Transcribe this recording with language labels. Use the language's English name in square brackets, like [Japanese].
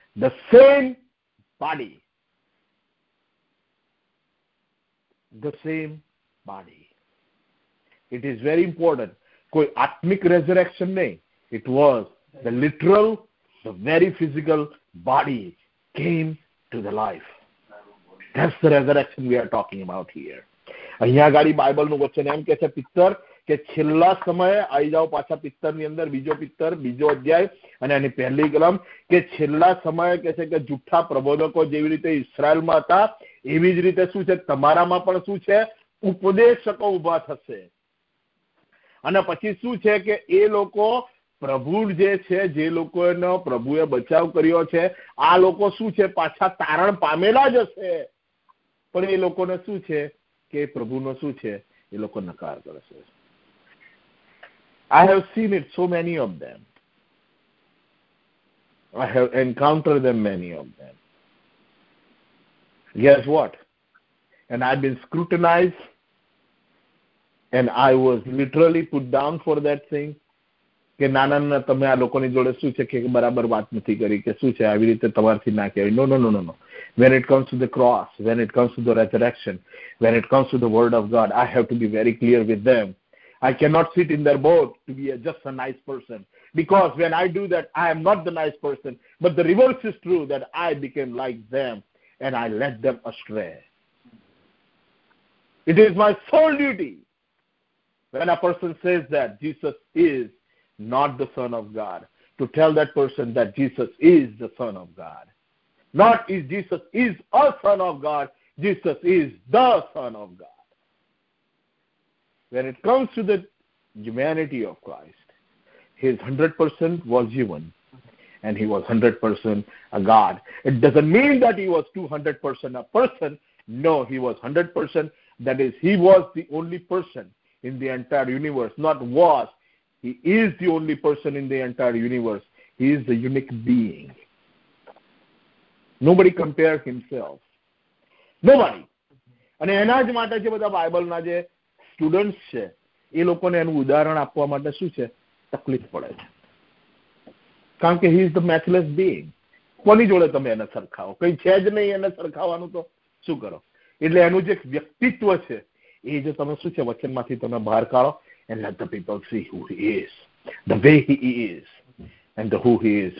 [English] The same body, the same body. It is very important. [Gujarati] કોઈ આત્મિક રેઝરેક્શન નહીં, [English] It was the literal, the very physical body came to the life. That's the resurrection we are talking about here. [Gujarati] અહીંયા ગાડી Bible નું વચન એમ કે છે, પિત્તર કે છેલ્લા સમયે, આવી જાઓ પાછા પિત્તર ની અંદર, બીજો પિત્તર બીજો અધ્યાય અને એની પહેલી કલમ, કે છેલ્લા સમયે કે છે કે જૂઠા પ્રબોધકો જેવી રીતે ઇસ્રાયલમાં હતા એવી જ રીતે શું છે તમારામાં પણ શું છે ઉપદેશકો ઉભા થશે. અને પછી શું છે કે એ લોકો પ્રભુ જે છે, જે લોકોનો પ્રભુએ બચાવ કર્યો છે, આ લોકો શું છે પાછા તારણ પામેલા જ હશે. પણ એ લોકોને શું છે કે પ્રભુનો શું છે એ લોકો નકાર કરશે. [English] I have seen it, so many of them. I have encountered them, many of them. Guess what? And I've been scrutinized, and I was literally put down for that thing. [Gujarati] કે ના ના ના, તમે આ લોકોની જોડે શું છે કે બરાબર વાત નથી કરી, કે શું છે આવી રીતે તમારથી ના કહેવાય. [English] No no no no no, when it comes to the cross, when it comes to the resurrection, when it comes to the word of God, I have to be very clear with them. I cannot sit in their boat to be a just a nice person, because when I do that I am not the nice person, but the reverse is true, that I became like them and I let them astray. It is my sole duty. When a person says that Jesus is not the Son of God, to tell that person that Jesus is the Son of God. Not is Jesus is a Son of God, Jesus is the Son of God. When it comes to the humanity of Christ, he is 100% was human, and he was 100% a God. It doesn't mean that he was 200% a person. No, he was 100%. That is, he was the only person in the entire universe, not was. He is the only person in the entire universe. He is the unique being. Nobody compares himself. Nobody. [Gujarati] અને એના જ માટે જે બધા બાઇબલના જે student છે એ લોકોને એનું ઉદાહરણ આપવા માટે શું છે તકલીફ પડે છે. કારણ કે [English] He is the matchless being. [Gujarati] કોની જોડે તમે એને સરખાવો? કઈ છે જ નહીં એને સરખાવવાનું, તો શું કરો? એટલે એનું જે વ્યક્તિત્વ છે એ જો તમે શું છે વચનમાંથી તમે બહાર કાઢો. [English] And let the people see who he is, the way he is, and who he is.